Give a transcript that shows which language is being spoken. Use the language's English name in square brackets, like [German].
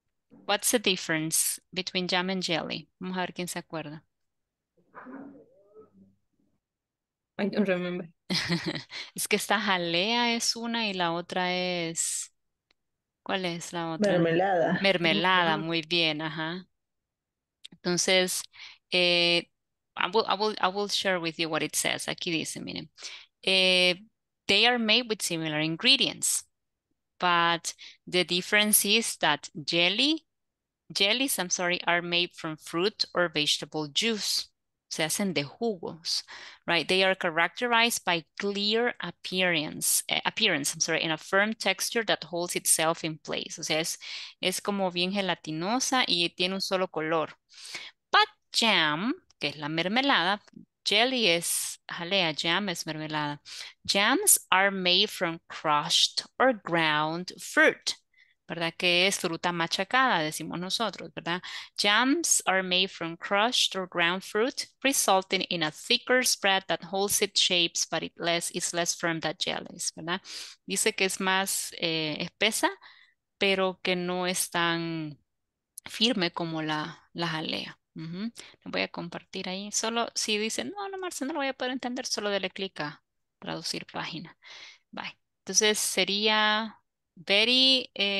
[English] What's the difference between jam and jelly? [Spanish] Vamos a ver quién se acuerda. [English] I don't remember. [Spanish] Es que esta jalea es una y la otra es... ¿Cuál es la otra? Mermelada. Mermelada, muy bien, ajá. Entonces, [English] I will share with you what it says. [Spanish] Aquí dice, miren. [English] They are made with similar ingredients. But the difference is that jellies, are made from fruit or vegetable juice. [Spanish] Se hacen de jugos, [English] right? They are characterized by clear appearance, and a firm texture that holds itself in place. [Spanish] O sea, es como bien gelatinosa y tiene un solo color. [English] But jam, [Spanish] que es la mermelada, jelly es jalea, jam es mermelada. [English] Jams are made from crushed or ground fruit, [Spanish] ¿verdad? Que es fruta machacada, decimos nosotros, ¿verdad? [English] Jams are made from crushed or ground fruit, resulting in a thicker spread that holds its shapes, but it's less firm than jellies, [Spanish] ¿verdad? Dice que es más espesa, pero que no es tan firme como la jalea. Lo voy a compartir ahí. Solo si dicen, no, Marcia, no lo voy a poder entender, solo dele clic a traducir página. Bye. Entonces sería [English] very.